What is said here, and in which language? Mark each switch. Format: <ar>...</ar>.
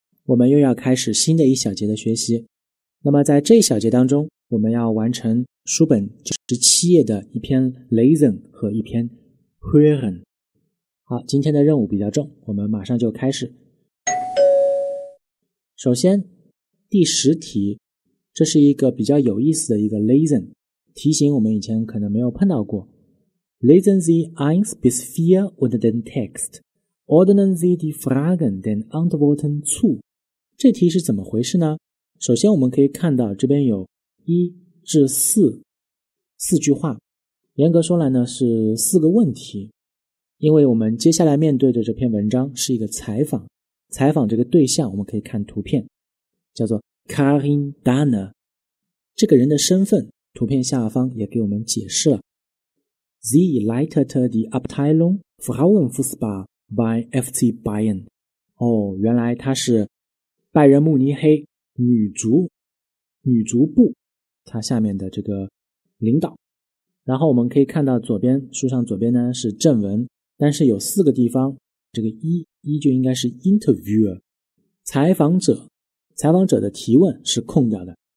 <zh>我们又要开始新的一小节的学习。那么在这一小节当中，我们要完成书本97页的一篇 Lesen 和一篇 Hören。好，今天的任务比较重，我们马上就开始。首先第十题，这是一个比较有意思的一个 Lesen 题型，我们以前可能没有碰到过。</zh> <de>Lesen Sie ein bis vier unter den Text. Ordnen Sie die Fragen den Antworten zu.</de> <zh>这题是怎么回事呢？首先我们可以看到这边有一至四，四句话。严格说来呢，是四个问题。因为我们接下来面对的这篇文章是一个采访。采访这个对象我们可以看图片。叫做 Karin Danner。这个人的身份图片下方也给我们解释了。</zh> <de>Sie leitete die Abteilung Frauenfußball bei FC Bayern.</de> <zh>哦，原来她是拜仁慕尼黑女足部她下面的这个领导。然后我们可以看到左边，书上左边呢是正文，但是有四个地方，这个一就应该是 interviewer, 采访者的提问是空掉的。</zh>